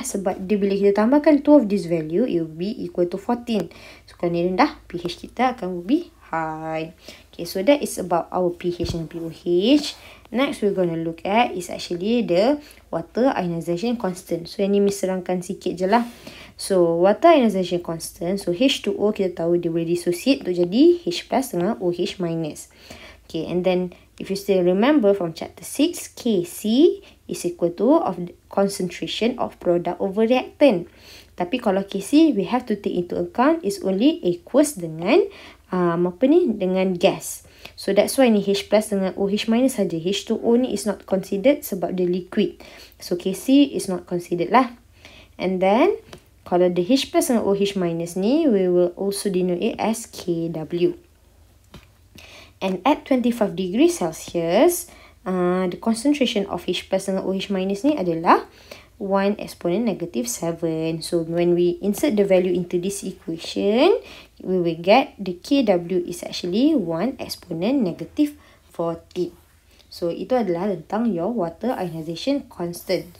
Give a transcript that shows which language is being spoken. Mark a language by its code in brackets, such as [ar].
[ms] Sebab dia bila kita tambahkan [en] 2 of this value, it will be equal to 14. [ms] So kalau ni rendah, pH kita akan [en] be high. Okay, so that is about our pH and pOH. Next, we're going to look at is actually the water ionization constant. [ms] So, ini miserangkan sikit je lah. So, water ionization constant. So, H2O kita tahu dia boleh dissociate untuk jadi H plus dengan OH minus. [en] Okay, and then if you still remember from chapter 6, KC is equal to of concentration of product over reactant. [ms] Tapi kalau [en] KC, we have to take into account is only aqueous [ms] dengan apa ni, dengan [en] gas. So that's why [ms] ni H plus dengan OH minus saja. [en] H2O ni is not considered [ms] sebab dia [en] liquid. So KC is not considered lah. And then kalau the H plus dengan OH minus ni, we will also denote it as KW. And at 25 degrees Celsius, the concentration of H plus dengan OH minus [ms] ni adalah [en] 1 exponent negative 7. So when we insert the value into this equation, we will get the KW is actually 1 exponent negative 40. [ms] So itu adalah tentang [en] your water ionization constant.